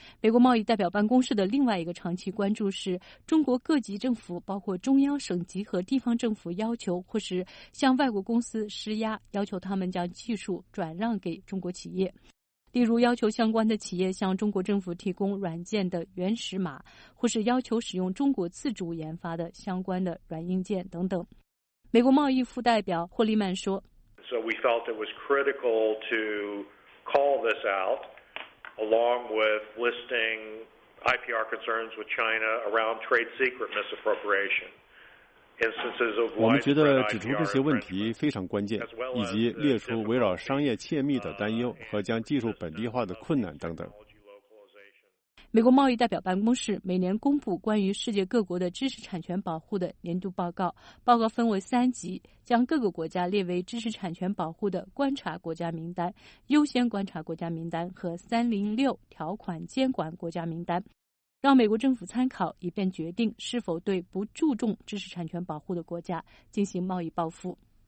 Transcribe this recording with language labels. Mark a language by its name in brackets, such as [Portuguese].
[Chinese] 美国贸易代表办公室的另外一个长期关注是，中国各级政府包括中央、省级和地方政府要求或是向外国公司施压，要求他们将技术转让给中国企业，例如要求相关的企业向中国政府提供软件的原始码，或是要求使用中国自主研发的相关的软硬件等等。美国贸易副代表霍利曼说， [English] So we felt it was critical to call this out along with listing IPR concerns with China around trade secret misappropriation. [Chinese] 我们觉得指出这些问题非常关键，以及列出围绕商业窃密的担忧和将技术本地化的困难等等。美国贸易代表办公室每年公布关于世界各国的知识产权保护的年度报告，报告分为三级，将各个国家列为知识产权保护的观察国家名单、优先观察国家名单和306条款监管国家名单，让美国政府参考，以便决定是否对不注重知识产权保护的国家进行贸易报复。